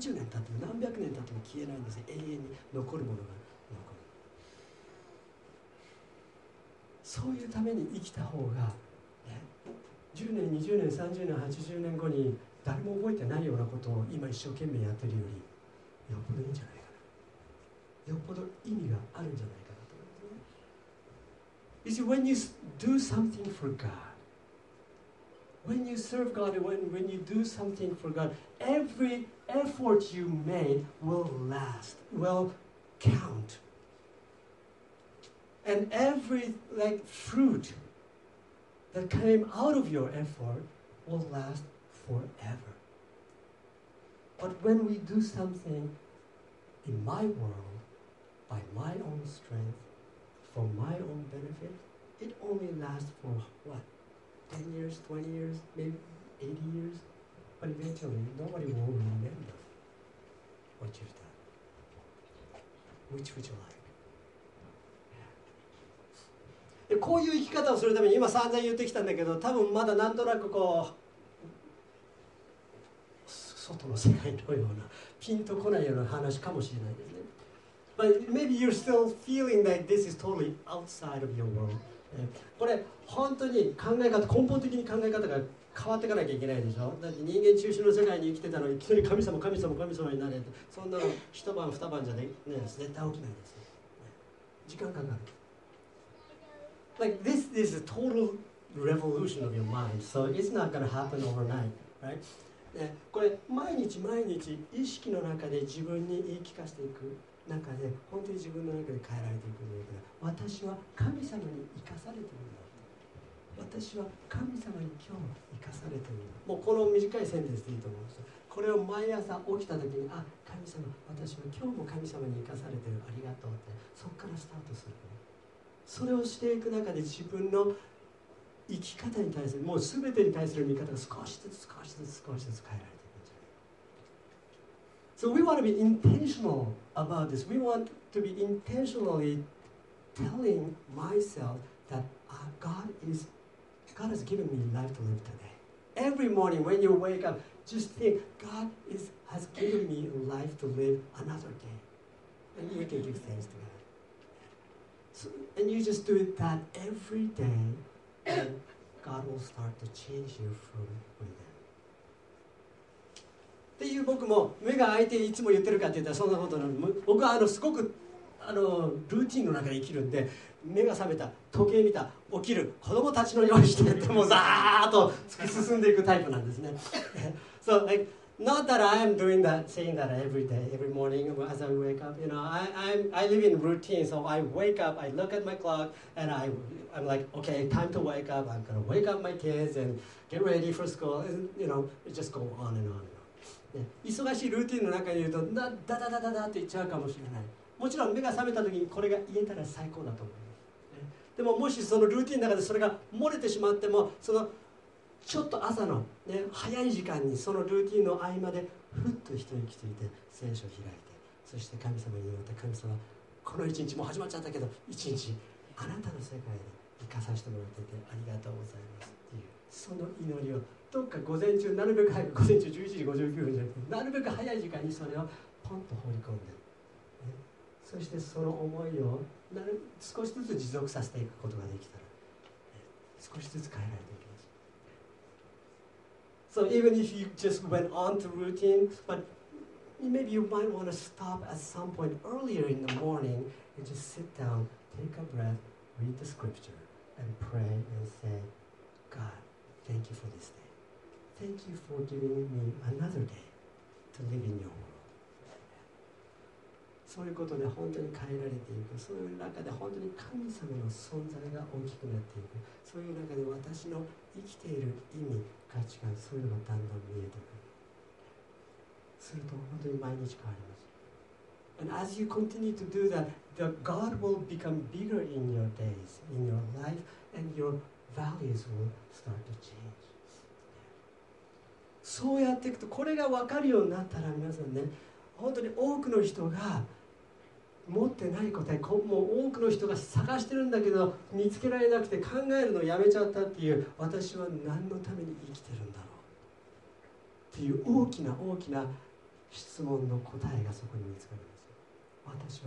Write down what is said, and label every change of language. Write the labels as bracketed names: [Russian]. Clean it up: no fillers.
[Japanese] 何十年経っても何百年経っても消えないんです。永遠に残るものが残る。そういうために生きた方が、ね、10年20年30年80年後に誰も覚えてないようなことを今一生懸命やってるよりよっぽどいいんじゃないかな、よっぽど意味があるんじゃないかなと思います。 [English] You see, when you do something for God, when you serve God, when you do something for God, every effort you made will last, will count. And every like fruit that came out of your effort will lastForever. But when we do something in my world, by my own strength, for my own benefit, it only lasts for what? 10 years, 20 years, maybe 80 years? But eventually, nobody will remember what you've done. Which would you like? [Japanese] こういう生き方をするために今散々言ってきたんだけど、多分まだなんとなくこう外の世界のようなピンとこないような話かもしれないですね。 [English] But maybe you're still feeling that this is totally outside of your world. [Japanese] これ本当に考え方、根本的に考え方が変わっていかなきゃいけないでしょ。だって人間中心の世界に生きてたのに、いきなり神様、神様、神様になれって、そんなの一晩二晩じゃね、ね、絶対起きないです。時間かかる。 [English] Like this is a total revolution of your mind. So it's not going to happen overnight, right? [Japanese] これ毎日毎日意識の中で自分に言い聞かせていく中で、本当に自分の中で変えられていくんだから、私は神様に生かされてるんだ、私は神様に今日生かされてるんだ、もうこの短いセンテンスでいいと思うんですよ。これを毎朝起きた時に、あ、神様、私は今日も神様に生かされてる、ありがとうって、そこからスタートする。それをしていく中で自分の生き方に対する、もう全てに対する見方が少しずつ少しずつ少しずつ変えられていくんじゃない。 [English] So we want to be intentional about this. We want to be intentionally telling myself that God has given me life to live today. Every morning when you wake up, just think, God has given me life to live another day. And you can give thanks to God. So, and you just do that every day, and God will start to change you from within. [Japanese] っていう僕も目が開いていつも言ってるかって言ったらそんなことなの。僕はすごくルーティンの中で生きるんで、目が覚めた、時計見た、起きる、子供たちのようにしてってもうザーッと突き進んでいくタイプなんですね。 [English] So, not that I am doing that, saying that every day, every morning as I wake up. You know, I live in routine, so I wake up, I look at my clock, and I'm like, okay, time to wake up. I'm gonna wake up my kids and get ready for school. And, you know, just go on and on. [Japanese] 忙しいルーティンの中にいるとダダダダダダって言っちゃうかもしれない。もちろん目が覚めた時にこれが言えたら最高だと思う。でももしそのルーティンの中でそれが漏れてしまっても、そのちょっと朝の、ね、早い時間にそのルーティンの合間でふっと人に来ていて聖書を開いて、そして神様に言われた、神様この一日もう始まっちゃったけど一日あなたの世界で生かさせてもらっていてありがとうございますっていう、その祈りをどっか午前中、なるべく早く、午前中11時59分じゃなくて、なるべく早い時間にそれをポンと放り込んで、ね、そしてその思いをなる少しずつ持続させていくことができたら、ね、少しずつ変えられていきます。 [English] So even if you just went on to routine, but maybe you might want to stop at some point earlier in the morning and just sit down, take a breath, read the scripture, and pray and say, God, thank you for this day. Thank you for giving me another day to live in your world. [Japanese] そういうことで本当に変えられていく。そういう中で本当に神様の存在が大きくなっていく。そういう中で私の生きている意味、価値観、そういうのがだんだん見えてくる。すると本当に毎日変わります。 [English] And as you continue to do that, the God will become bigger in your days, in your life, and your values will start to change. [Japanese] そうやっていくと、これが分かるようになったら皆さんね、本当に多くの人が持ってない答え、もう多くの人が探してるんだけど見つけられなくて考えるのをやめちゃったっていう、私は何のために生きてるんだろうっていう大きな大きな質問の答えがそこに見つかるんですよ。